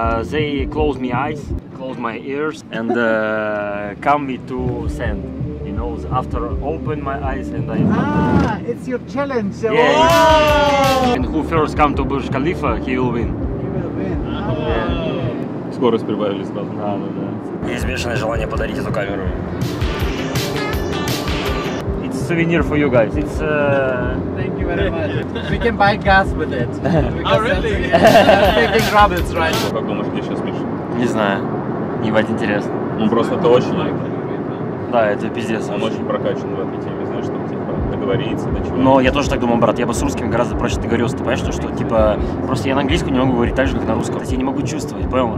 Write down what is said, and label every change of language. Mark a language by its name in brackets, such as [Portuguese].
[English] They close my eyes, close my ears, and come me to sand. You know, after open my eyes and I. It's your challenge. Yeah. Yeah. And who first come to Burj Khalifa, he will win. [Russian] Скорость прибавили, сказал. Да. Неизбежное желание подарить эту камеру. [English] It's a souvenir for you guys. It's. Thank you very much. We can buy gas with it. Oh really? Taking rabbits, right? [Russian] Как думаешь, где сейчас Миша? Не знаю. Ебать интересно. Он просто это очень лайк. Да, это пиздец. Он очень прокачан в этой теме, знаешь, что типа договориться до чего. Но я тоже так думаю, брат. Я бы с русскими гораздо проще договорился. Ты понимаешь, что типа просто я на английском не могу говорить так же, как на русском. То есть я не могу чувствовать, понял?